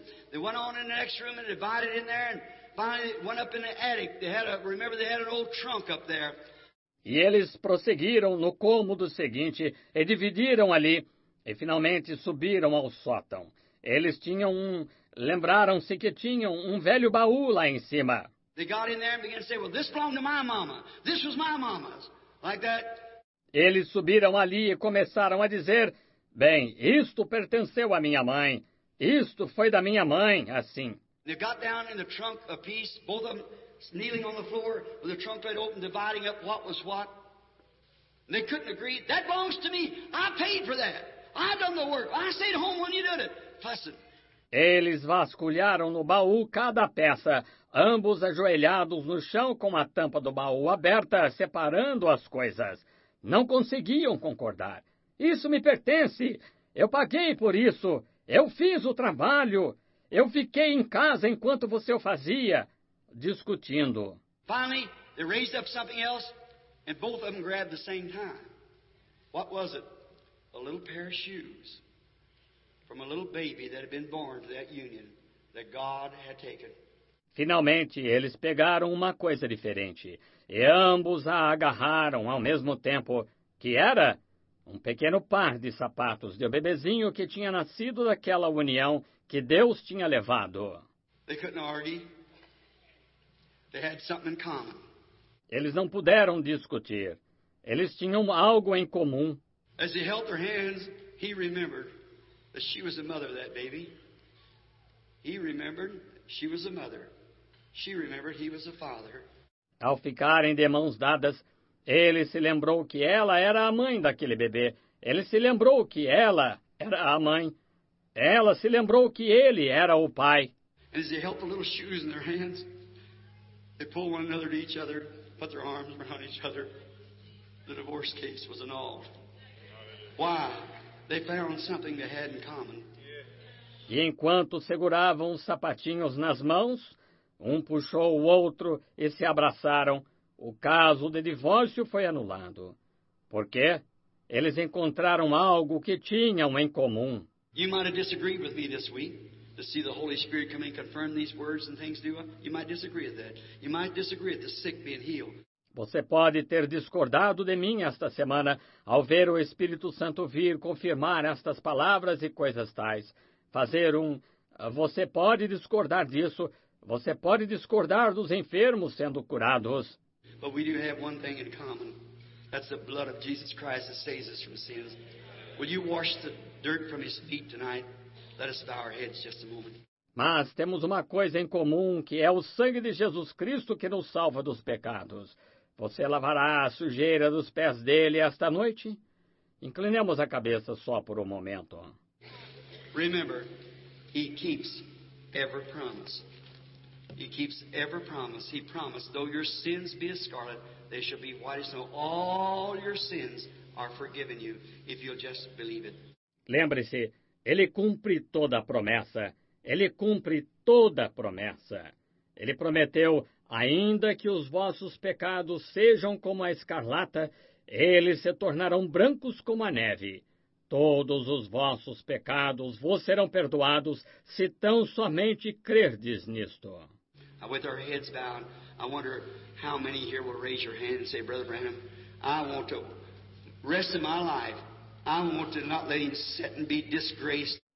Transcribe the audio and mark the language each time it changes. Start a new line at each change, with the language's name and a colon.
English: They went on in the next room and divided in there and finally went up in the attic. They had an old trunk up there.
Portuguese: E eles prosseguiram no cômodo seguinte e dividiram ali e finalmente subiram ao sótão. Eles tinham um, lembraram-se que tinham um velho baú lá em cima.
English: They got in there and began to say, well, this belonged to my mama. This was my mama's. Like that.
Portuguese: Eles subiram ali e começaram a dizer, bem, isto pertenceu à minha mãe. Isto foi da minha mãe, assim.
English: They got down in the trunk a piece, both of them kneeling on the floor with the trunk right open, dividing up what was what. And they couldn't agree. That belongs to me. I paid for that. I done the work. I stayed home when you did it. Fussing.
Portuguese: Eles vasculharam no baú cada peça, ambos ajoelhados no chão com a tampa do baú aberta, separando as coisas. Não conseguiam concordar. Isso me pertence. Eu paguei por isso. Eu fiz o trabalho. Eu fiquei em casa enquanto você o fazia. Discutindo.
English: Finally, they raised up something else, and both of them grabbed the same time. What was it? A little pair of shoes from a little baby that had been born to that union that God had taken.
Portuguese: Finalmente, eles pegaram uma coisa diferente, e ambos a agarraram ao mesmo tempo, que era um pequeno par de sapatos de um bebezinho que tinha nascido daquela união que Deus tinha levado.
English: They couldn't argue. They had something in common.
Portuguese: Eles não puderam discutir. Eles tinham algo em comum.
English: As he held her hands, he remembered that she was the mother of that baby. He remembered she was a mother. She remembered he was a father.
Portuguese: Ao ficarem de mãos dadas, ele se lembrou que ela era a mãe daquele bebê. Ele se lembrou que ela era a mãe. Ela se lembrou que ele era o pai.
English: As he held the little shoes in their hands, they pulled one another to each other, put their arms around each other. The divorce case was annulled. Why? They found something they had in common.
Portuguese: E enquanto seguravam os sapatinhos nas mãos, um puxou o outro e se abraçaram. O caso de divórcio foi anulado. Porque eles encontraram algo que tinham em comum.
English: You might have disagreed with me this week. To see the Holy Spirit come and confirm these words and things, do you might disagree with that. You might disagree with the sick being healed.
Portuguese: Você pode ter discordado de mim esta semana ao ver o Espírito Santo vir confirmar estas palavras e coisas tais. Fazer um... Você pode discordar disso. Você pode discordar dos enfermos sendo curados.
English: But we do have one thing in common. That's the blood of Jesus Christ that saves us from sins. Will you wash the dirt from his feet tonight? Let us bow our heads just a moment.
Portuguese: Mas temos uma coisa em comum, que é o sangue de Jesus Cristo que nos salva dos pecados. Você lavará a sujeira dos pés dele esta noite? Inclinemos a cabeça só por um momento.
English: Remember, he keeps every promise. He keeps every promise. He promised, though your sins be as scarlet, they shall be white as snow. All your sins are forgiven you, if you'll just believe it.
Portuguese: Lembre-se, ele cumpre toda a promessa. Ele cumpre toda a promessa. Ele prometeu, ainda que os vossos pecados sejam como a escarlata, eles se tornarão brancos como a neve. Todos os vossos pecados vos serão perdoados, se tão somente crerdes nisto.
English: With our heads bowed, I wonder how many here will raise your hand and say, Brother Branham, I want to rest of my life. I want to not let him sit and be disgraced.